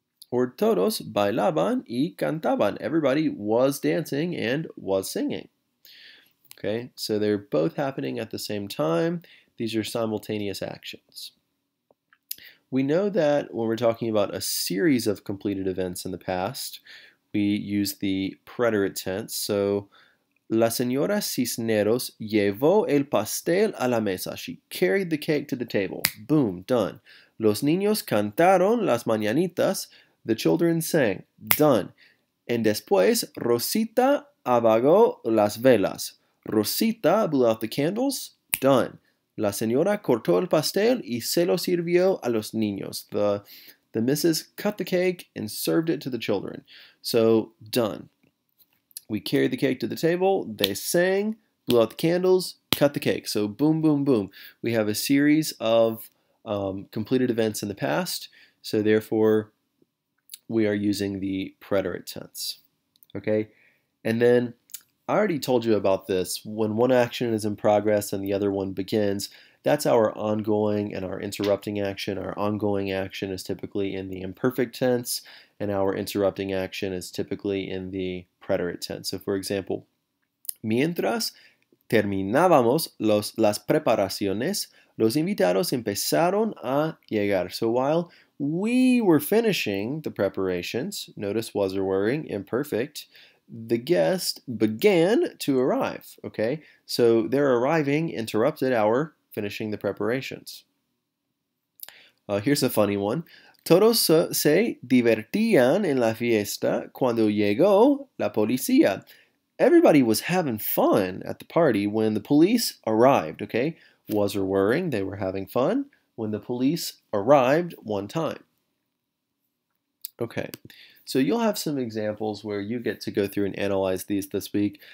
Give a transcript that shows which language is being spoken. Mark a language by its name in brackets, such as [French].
[English] Or [Spanish] todos bailaban y cantaban. [English] Everybody was dancing and was singing. Okay, so they're both happening at the same time. These are simultaneous actions. We know that when we're talking about a series of completed events in the past, we use the preterite tense. [Spanish] So, la señora Cisneros llevó el pastel a la mesa. [English] She carried the cake to the table. Boom, done. [Spanish] Los niños cantaron las mañanitas. [English] The children sang. Done. And [Spanish] después, Rosita apagó las velas. [English] Rosita blew out the candles. Done. [Spanish] La señora cortó el pastel y se lo sirvió a los niños. [English] The missus cut the cake and served it to the children. So, done. We carried the cake to the table. They sang, blew out the candles, cut the cake. So, boom, boom, boom. We have a series of completed events in the past. So, therefore, we are using the preterite tense. Okay? And then I already told you about this. When one action is in progress and the other one begins, that's our ongoing and our interrupting action. Our ongoing action is typically in the imperfect tense, and our interrupting action is typically in the preterite tense. So, for example, [Spanish] mientras terminábamos las preparaciones, los invitados empezaron a llegar. [English] So, while we were finishing the preparations, notice was or were, imperfect, the guest began to arrive. Okay, so their arriving interrupted our finishing the preparations. Here's a funny one. [Spanish] Todos se divertían en la fiesta cuando llegó la policía. [English] Everybody was having fun at the party when the police arrived, okay? Was or worrying, they were having fun when the police arrived one time. Okay, so you'll have some examples where you get to go through and analyze these this week.